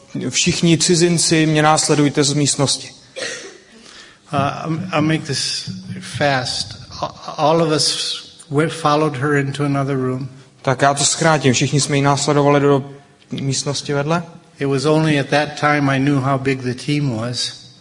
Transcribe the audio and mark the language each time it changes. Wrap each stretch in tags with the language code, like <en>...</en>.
<cs>Všichni cizinci mě následujte z místnosti.</cs> <en>I'll make this fast. All of us followed her into another room.</en> <cs>Tak já to zkrátím. Všichni jsme ji následovali do místnosti vedle.</cs> <en>It was only at that time I knew how big the team was.</en>